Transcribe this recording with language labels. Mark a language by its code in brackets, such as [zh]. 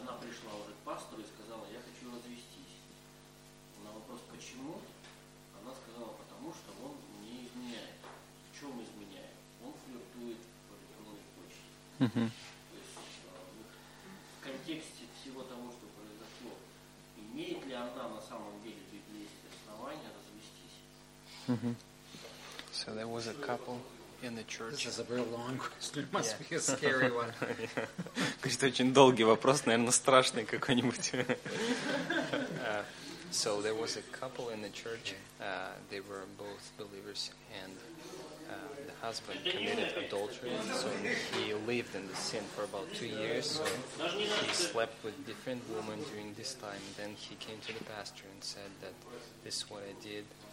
[ru] Она пришла уже к пастору и сказала, я хочу развестись. На вопрос, почему, она сказала, потому что он не изменяет. В чем изменяет? Он флиртует по электронной почте. То есть в контексте всего того, что произошло, имеет ли она на самом деле в Библии основания развестись? [en] So there was a couple in the church. This is a very long question. It must be a scary one. [ru] Говорит, очень долгий вопрос, наверное, страшный какой-нибудь. [en] So there was a couple in the church. They were both believers, and the husband committed adultery. So he lived in the sin for about 2 years. So he slept with different women during this time. Then he came to the pastor and said that this is what I did.